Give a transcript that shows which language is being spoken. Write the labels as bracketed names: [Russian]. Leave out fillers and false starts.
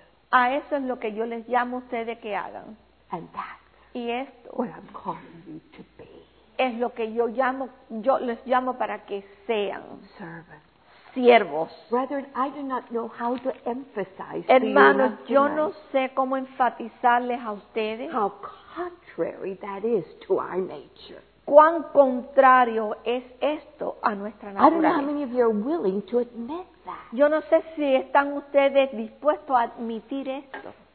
[Spanish] A eso es lo que yo les llamo a ustedes que hagan. [English] And that's [Spanish] y esto [English] what I'm calling you to be. [Spanish] Es lo que yo llamo, yo les llamo para que sean [English] servants. [Spanish] Siervos. [English] Brethren, I do not know how to emphasize. [Spanish] Hermanos, [English] to you [Spanish] yo no sé cómo enfatizarles a ustedes. [English] How contrary that is to our nature. [Spanish] Cuán contrario es esto a nuestra naturaleza. [English] I don't know how many of you are willing to admit. [Spanish] Yo no sé si están ustedes dispuestos a admitir esto.